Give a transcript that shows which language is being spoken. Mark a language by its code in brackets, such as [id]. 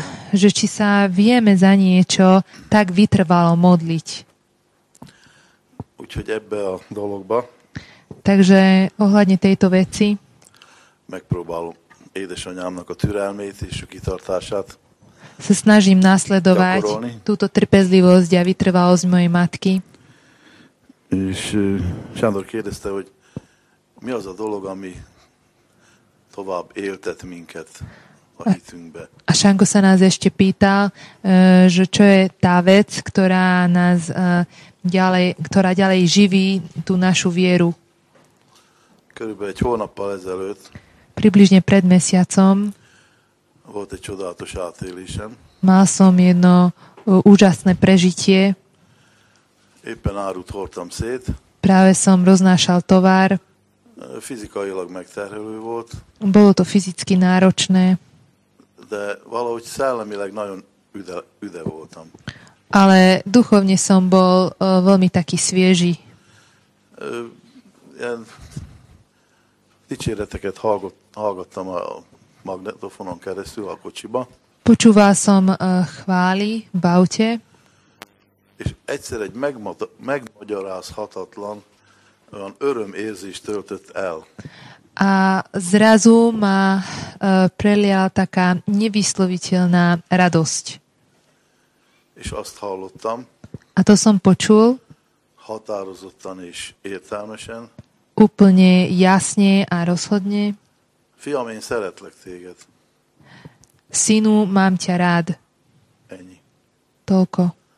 [sk] Že či sa vieme za niečo tak vytrvalo modliť. [hu] Úgyhogy ebbe a dologba. [sk] Takže ohľadne tejto veci [hu] megpróbálom édesanyámnak a türelmét és a kitartását. [sk] Sa snažím nasledovať túto trpezlivosť a vytrvalosť mojej matky. [hu] És Sándor kérdezte, hogy mi az a dolog, ami tovább éltet minket a hitünkbe. [sk] A Šanko sa nás ešte pýtal, že čo je tá vec, ktorá nás ktorá ďalej živí tú našu vieru. [hu] Körülbelül egy hónappal ezelőtt. [sk] Približne pred mesiacom. [hu] Volt egy csodálatos átélésem. [sk] Mal som jedno úžasné prežitie. [hu] Éppen árut hordtam szét. [sk] Práve som roznášal tovar. [hu] Fizikailag megterhelő volt. [sk] Bolo to fyzicky náročné. [hu] De valahogy szellemileg nagyon üde voltam. [sk] Ale duchovne som bol veľmi taký svieži. [hu] Dicséreteket hallgattam a magnetofonon keresztül a kocsiba. [sk] Počúval som chvály v aute. [hu] És egyszer egy megmagyarázhatatlan olyan örömérzés töltött el. [sk] A zrazu ma prelial taká nevysloviteľná radosť. [hu] És azt hallottam. [sk] A to som počul. [hu] Határozottan és értelmesen. [sk] Úplne jasne a rozhodne. [hu] Fiam, én szeretlek téged. [sk] Synu, mám ťa rád. [hu] Ennyi. [sk] Toľko.